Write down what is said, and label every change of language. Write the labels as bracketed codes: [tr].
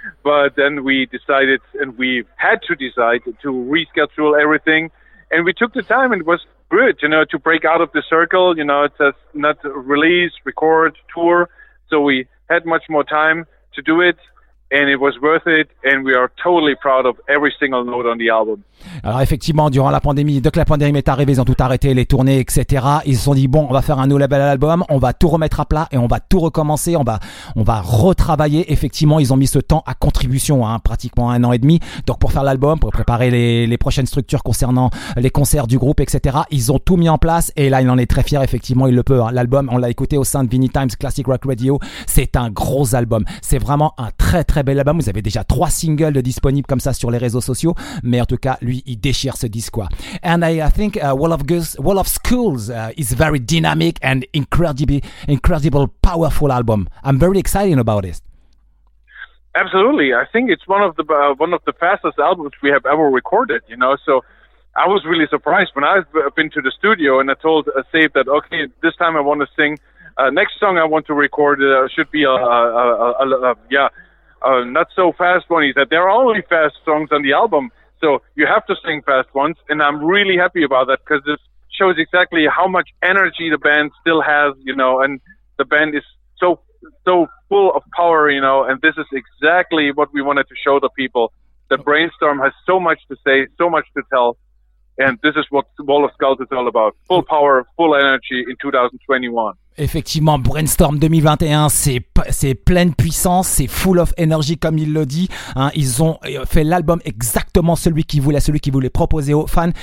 [en] But then we decided and we had to decide to reschedule everything. And we took the time and it was good, you know, to break out of the circle. You know, it says not release, record, tour. So we had much more time to do it. And it was worth it, and we are totally proud of every single note on the album. [fr] Alors effectivement, durant la pandémie, dès que la pandémie est arrivée, ils ont tout arrêté, les tournées, etc. Ils se sont dit, bon, on va faire un nouvel album, on va tout remettre à plat et on va tout recommencer, on va retravailler. Effectivement, ils ont mis ce temps à contribution, hein, pratiquement un an et demi. Donc pour faire l'album, pour préparer les prochaines structures concernant les concerts du groupe, etc. Ils ont tout mis en place et là, il en est très fier, effectivement, il le peut. Hein. L'album, on l'a écouté au sein de Vinnie Times Classic Rock Radio, c'est un gros album. C'est vraiment un très, très bel album. Vous avez déjà trois singles disponibles comme ça sur les réseaux sociaux, mais en tout cas, lui, il déchire ce disque, quoi. [en] And I think Wall of Skulls is very dynamic and incredible, powerful album. I'm very excited about it. Absolutely. I think it's one of the fastest albums we have ever recorded, you know. So I was really surprised when I've been to the studio and I told Save that, okay, this time I want to sing. Next song I want to record should be not so fast one. He said, there are only fast songs on the album. So you have to sing fast ones, and I'm really happy about that because this shows exactly how much energy the band still has, you know, and the band is so full of power, you know, and this is exactly what we wanted to show the people, that Brainstorm has so much to say, so much to tell, and this is what Wall of Skulls is all about, full power, full energy in 2021. [fr] Effectivement, Brainstorm 2021, c'est pleine puissance, c'est [en] full of energy [fr] comme il le dit. Hein, ils ont fait l'album exactement celui qu'ils voulaient proposer aux fans.